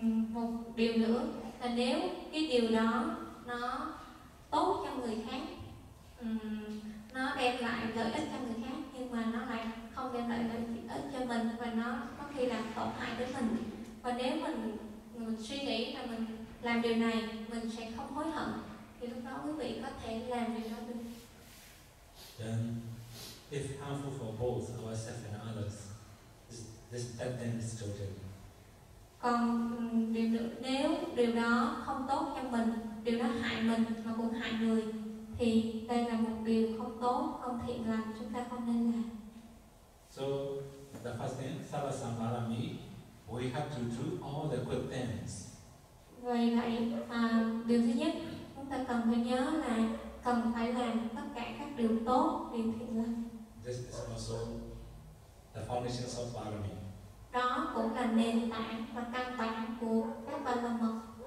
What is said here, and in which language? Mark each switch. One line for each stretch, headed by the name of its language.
Vietnamese: Một điều nữa là nếu cái điều đó nó tốt cho người khác, nó đem lại lợi ích cho người khác, nhưng mà nó lại không đem lại lợi ích cho mình và nó có khi làm tổn hại tới mình. Và nếu mình suy nghĩ là mình làm điều này mình sẽ không hối hận, thì lúc đó quý vị có thể làm điều đó được.
English: Then, if harmful for both ourselves and others, this that then is totally.
Vietnamese: Còn nếu điều đó không tốt cho mình, điều đó hại mình mà cũng hại người, thì đây là một điều không tốt, không thiện lành, chúng ta không nên làm.
English: So the first thing, Sabba Sambara means we have to do all the good things.
Vietnamese: Vậy điều thứ nhất chúng ta cần phải nhớ là cần phải làm tất cả các điều tốt điều thiện lành.
English: This is also the foundation of Barami.
Vietnamese: Đó cũng là nền tảng và căn bản của các ba la mật.